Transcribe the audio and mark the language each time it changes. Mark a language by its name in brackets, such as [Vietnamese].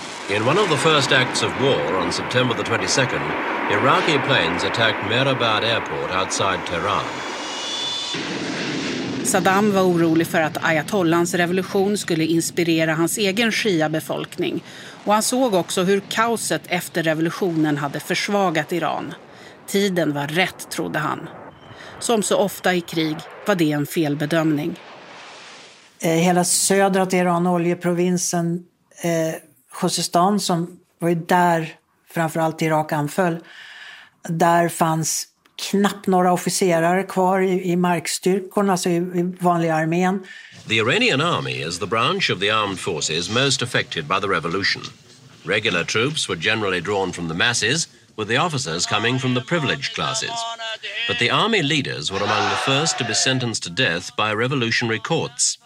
[English] In one of the first acts of war on September the 22nd, Iraqi planes attacked Mehrabad Airport outside Tehran. [Swedish] Saddam var orolig för att Ayatollahs revolution skulle inspirera hans egen shia-befolkning. Och han såg också hur kaoset efter revolutionen hade försvagat Iran. Tiden var rätt, trodde han. Som så ofta i krig var det en felbedömning. Hela södra Iran, oljeprovinsen Khuzestan, som var ju där framförallt Irak anföll, där fanns knappt några officerare kvar i markstyrkorna, alltså i vanliga armén. [English] The Iranian army is the branch of the armed forces most affected by the revolution. Regular troops were generally drawn from the masses, with the officers coming from the privileged classes. But the army leaders were among the first to be sentenced to death by revolutionary courts.